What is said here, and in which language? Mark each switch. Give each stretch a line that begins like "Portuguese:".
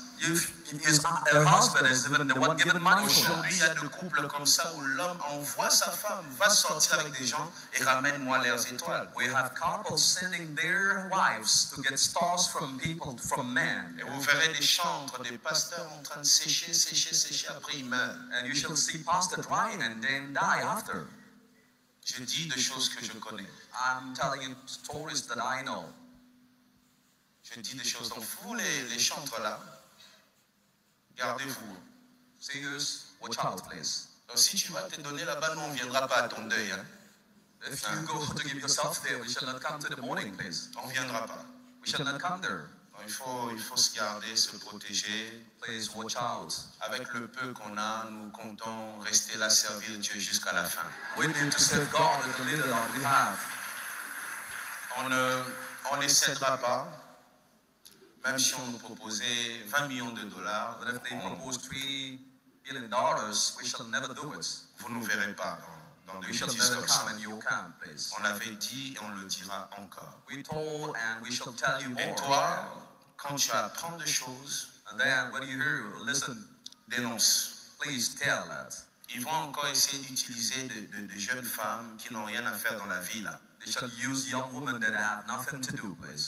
English: Her husband is even the one giving money for her.
French: Aujourd'hui, il y a des couples comme ça où l'homme envoie sa femme, va sortir avec des gens et ramène-moi leurs étoiles.
English: We have couples sending their wives to get stars from people, from men.
French: Et vous verrez des chantres, des pasteurs en train de sécher, après ils meurent.
English: And you shall see pastors drying and then die after.
French: Je dis des choses que je connais.
English: I'm telling you stories that I know.
French: Je dis des choses. Donc, vous, les chantres là, gardez-vous.
English: Singers, watch out, please.
French: Donc, si tu vas te donner là-bas, nous, on ne viendra pas à ton deuil. Hein?
English: If you go to give yourself there, we shall not come to the morning, please.
French: On ne viendra pas.
English: We shall not come there.
French: Donc, il faut se garder, se protéger.
English: Please, watch out.
French: Avec le peu qu'on a, nous comptons rester là, servir Dieu jusqu'à la fin.
English: We need to serve God with the little that we have.
French: On ne cédera pas. Même si on nous proposait 20 millions de dollars,
English: but if they propose $3 billion, we shall never do it.
French: Vous ne verrez pas dans
English: we shall never come in your camp, please.
French: On l'avait dit et on le dira encore.
English: We told and we shall tell you more.
French: Et toi, quand tu apprends des choses,
English: and then when you hear, listen,
French: dénonce.
English: Please tell that.
French: Ils vont encore essayer d'utiliser des jeunes femmes qui n'ont rien à faire dans la vie là.
English: They shall use young women that have nothing to do, please.